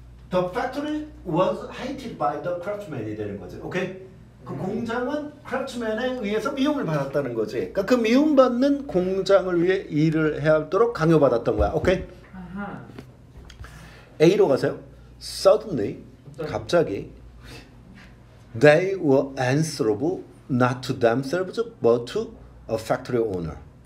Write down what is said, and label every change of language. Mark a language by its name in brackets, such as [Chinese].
[English] The factory was hated by the craftsman이 [Korean] 되는 거지. 오케이? 그 공장은 craftsman에 의해서 미움을 받았다는 거지. 그러니까 그 미움받는 공장을 위해 일을 해야 하도록 강요받았던 거야. 오케이? A로 가세요. [English] Suddenly, [Korean] 갑자기 [English] they were answerable not to themselves but to a factory owner.